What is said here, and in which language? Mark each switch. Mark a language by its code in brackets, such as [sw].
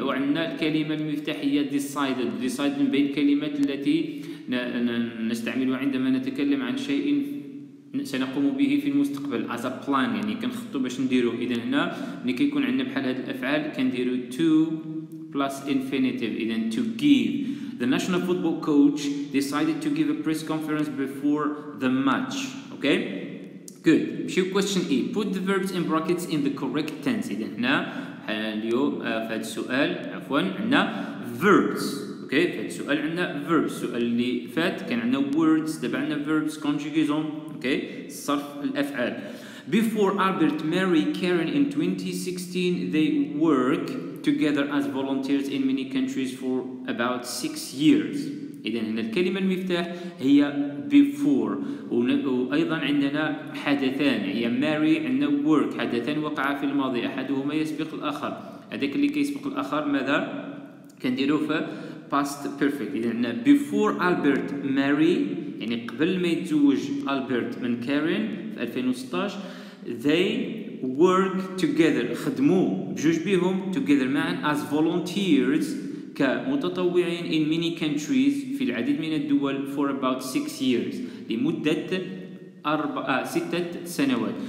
[ar] أو عندنا الكلمة المفتاحية decided. Decided من بين الكلمات التي نستعملها عندما نتكلم عن شيء سنقوم به في المستقبل [en] as a plan. [ar] يعني كنخطو باش نديرو. إذن هنا ملي كيكون عندنا بحال هاد الأفعال كنديرو [en] to plus infinitive. [ar] إذن [en] to give. The national football coach decided to give a press conference before the match. Okay. Good. [ar] شو [en] question E. Put the verbs in brackets in the correct tense. [ar] إذن هنا اليوم في هذا السؤال عفوا عندنا verbs. [en] Okay. [ar] في هذا السؤال عندنا verbs. السؤال اللي فات كان عندنا words. دابا عندنا [en] verbs conjugation. [ar] Okay. صرف الأفعال. [en] Before Albert, Mary, Karen in 2016 they work together as volunteers in many countries for about 6 years. [ar] إذن هنا الكلمة المفتاح هي before. وأيضا عندنا حدثان هي Mary عندنا work. حدثان وقع في الماضي أحدهما يسبق الآخر. هذاك اللي كيسبق الآخر ماذا كنديرو في past perfect. إذن هنا before Albert, Mary يعني قبل ما يتزوج Albert من Karen في 2016 [en] they work together [ar] خدموا بجوج بهم together معا [en] as volunteers [ar] كمتطوعين [en] in many countries [ar] في العديد من الدول [en] for about 6 years [ar] لمدة 6 سنوات.